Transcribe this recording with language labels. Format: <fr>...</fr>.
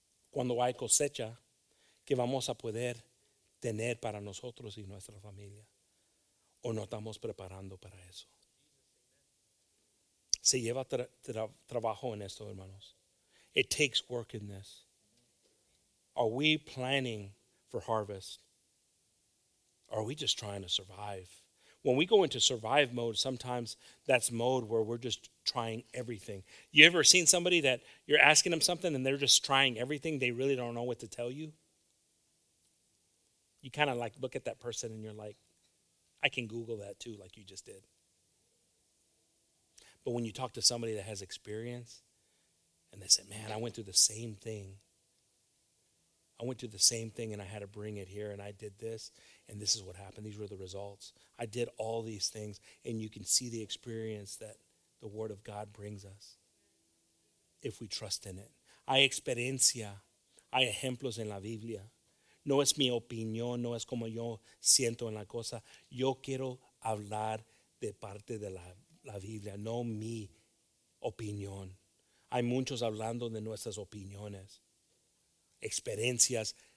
<es>Cuando hay cosecha que vamos a poder tener para nosotros y nuestra familia. ¿O no estamos preparando para eso? Se lleva trabajo en esto, hermanos.</es> <en>It takes work in this. Are we planning for harvest? Are we just trying to survive? When we go into survive mode, sometimes that's mode where we're just trying everything. You ever seen somebody that you're asking them something and they're just trying everything? They really don't know what to tell you. You kind of like look at that person and you're like, I can Google that too, like you just did. But when you talk to somebody that has experience and they say, man, I went through the same thing. I went through the same thing and I had to bring it here and I did this and this is what happened. These were the results. I did all these things and you can see the experience that the Word of God brings us if we trust in it.</en> <es>Hay experiencia, hay ejemplos en la Biblia. No es mi opinión, no es como yo siento en la cosa. Yo quiero hablar de parte de la Biblia, no mi opinión. Hay muchos hablando de nuestras opiniones, experiencias.</es>